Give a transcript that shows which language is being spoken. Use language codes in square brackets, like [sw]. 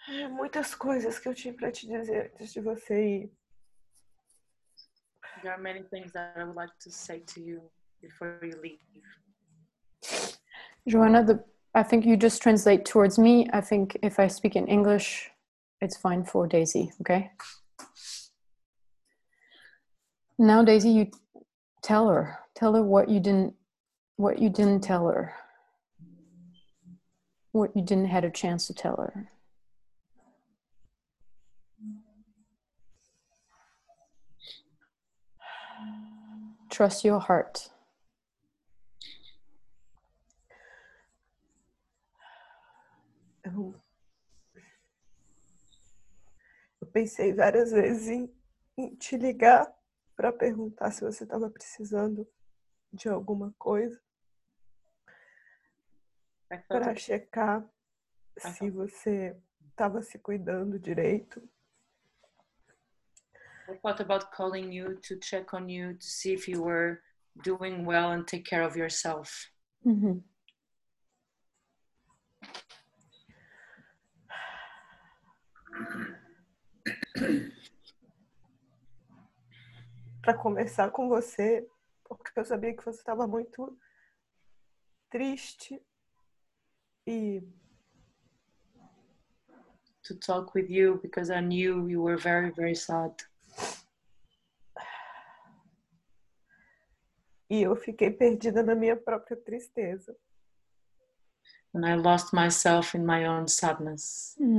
[pt] Muitas coisas que eu tinha para te dizer antes de você ir. [en] There are many things that I would like to say to you before you leave. Joana, I think you just translate towards me. I think if I speak in English, It's fine for Daisy, okay? Now, Daisy, you tell her. Tell her what you didn't tell her. What you didn't had a chance to tell her. Trust your heart. [pt] Eu pensei várias vezes em te ligar para perguntar se você estava precisando de alguma coisa. Para checar se você estava se cuidando direito. [en] I thought about calling you to check on you to see if you were doing well and take care of yourself. [pt] Para começar com você, porque eu sabia que você estava muito triste e... [en] To talk with you because I knew you were very, very sad. [pt] E eu fiquei perdida na minha própria tristeza. [en] And I lost myself in my own sadness.